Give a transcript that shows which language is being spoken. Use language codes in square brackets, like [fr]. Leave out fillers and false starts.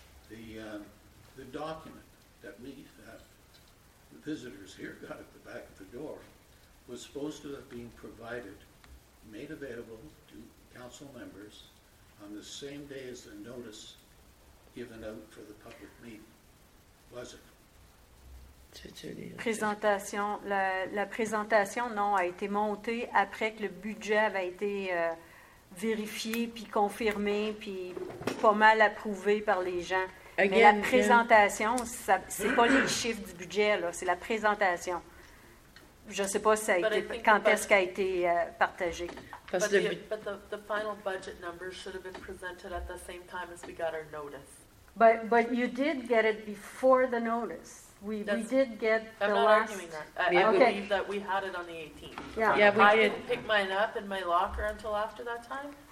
[en] The document that we have, the visitors here got at the back of the door, was supposed to have been provided, made available to council members on the same day as the notice given out for the public meeting, was it? [fr] Présentation, la présentation, non, a été montée après que le budget avait été vérifié, puis confirmé, puis pas mal approuvé par les gens. Mais la présentation, ça, c'est pas les chiffres du budget, là, c'est la présentation. Je ne sais pas si ça a été, quand est-ce qu'a été partagé. [en] But the final budget numbers should have been presented at the same time as we got our notice. But you did get it before the notice. We did get the last... I'm not arguing that. I believe that we had it on the 18th. Yeah, we did. I didn't pick mine up in my locker until after that time.